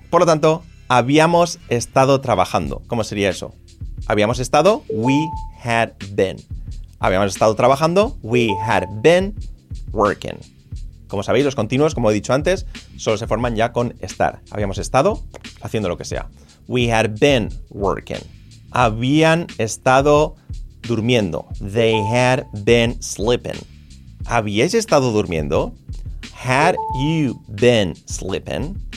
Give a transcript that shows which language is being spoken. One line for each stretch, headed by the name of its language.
Spanish: Por lo tanto, habíamos estado trabajando. ¿Cómo sería eso? Habíamos estado,
English: we had been.
Spanish: Habíamos estado trabajando,
English: we had been working.
Spanish: Como sabéis, los continuos, como he dicho antes, solo se forman ya con estar. Habíamos estado haciendo lo que sea.
English: We had been working.
Spanish: Habían estado durmiendo.
English: They had been sleeping.
Spanish: ¿Habíais estado durmiendo?
English: Had you been sleeping?